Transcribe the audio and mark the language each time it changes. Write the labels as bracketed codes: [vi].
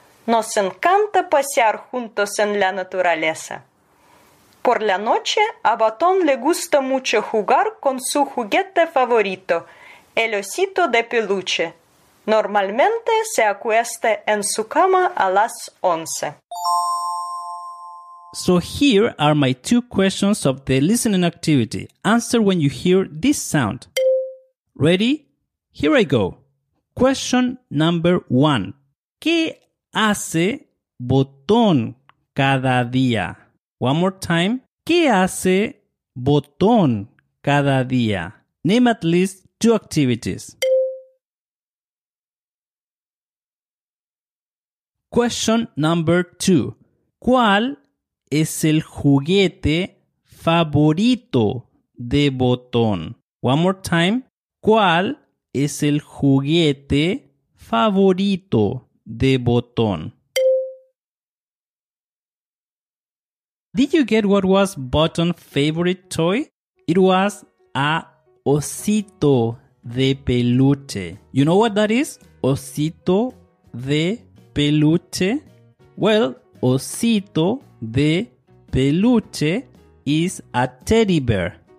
[es] Nos encanta pasear juntos en la naturaleza. Por la noche, a Botón le gusta mucho jugar con su juguete favorito, el osito de peluche. Normalmente se acuesta en su cama a las 11. [en] So here are my two questions of the listening activity. Answer when you hear this sound. Ready? Here I go. Question number one. [es] ¿Qué hace Botón cada día? [en] One more time. [es] ¿Qué hace Botón cada día? [en] Name at least two activities. Question number two. [es] ¿Cuál es el juguete favorito de Botón? [en] One more time. [es] ¿Cuál es el juguete favorito de Botón? [en] Did you get what was Botón's favorite toy? It was a osito de peluche. You know what that is? Osito de peluche. Well, osito de peluche is a teddy bear.